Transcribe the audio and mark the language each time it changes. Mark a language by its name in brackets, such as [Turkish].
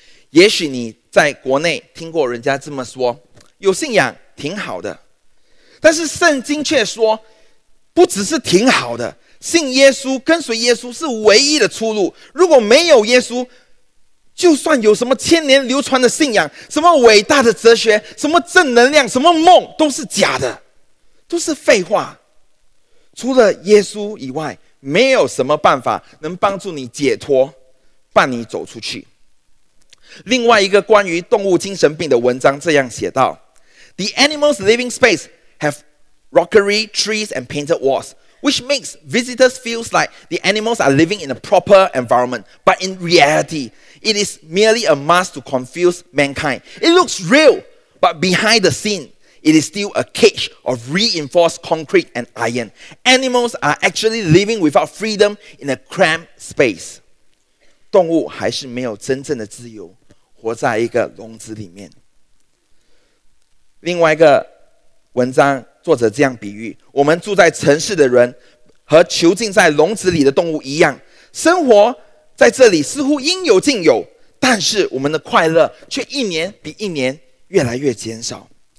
[Chinese] 也许你在国内听过人家这么说，有信仰挺好的，但是圣经却说不只是挺好的，信耶稣跟随耶稣是唯一的出路，如果没有耶稣，就算有什么千年流传的信仰，什么伟大的哲学，什么正能量，什么梦，都是假的，都是废话。除了耶稣以外，没有什么办法能帮助你解脱，伴你走出去。另外一个关于动物精神病的文章这样写道， [English] The animals living space have rockery trees and painted walls, which makes visitors feel like the animals are living in a proper environment, but in realityIt is merely a mask to confuse mankind. It looks real, but behind the scene, it is still a cage of reinforced concrete and iron. Animals are actually living without freedom in a cramped space. [Chinese] 动物还是没有真正的自由，活在一个笼子里面。另外一个文章，作者这样比喻，我们住在城市的人和囚禁在笼子里的动物一样，生活在这里似乎应有尽有，但是我们的快乐却一年比一年越来越减少。